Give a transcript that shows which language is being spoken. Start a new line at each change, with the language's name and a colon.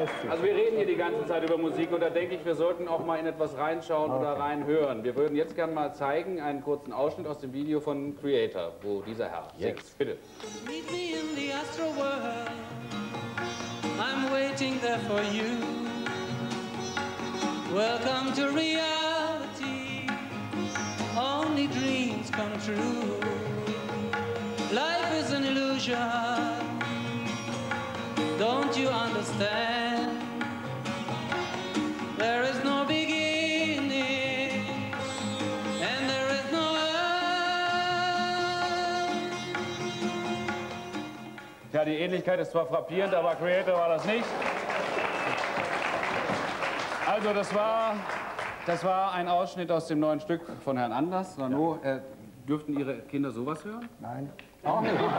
German: Also wir reden hier die ganze Zeit über Musik und da denke ich, wir sollten auch mal in etwas reinschauen oder reinhören. Wir würden jetzt gerne mal zeigen einen kurzen Ausschnitt aus dem Video von Creator, wo dieser Herr singt. Bitte.
English: Meet me in the astral world. I'm waiting there for you. Welcome to reality. Only dreams come true. Life is an illusion. Don't you understand? There is no beginning, and there is no end.
German: Tja, die Ähnlichkeit ist zwar frappierend, aber Creator war das nicht. Also, das war ein Ausschnitt aus dem neuen Stück von Herrn Anders. Nanu, dürften Ihre Kinder sowas hören? Nein. Auch nicht.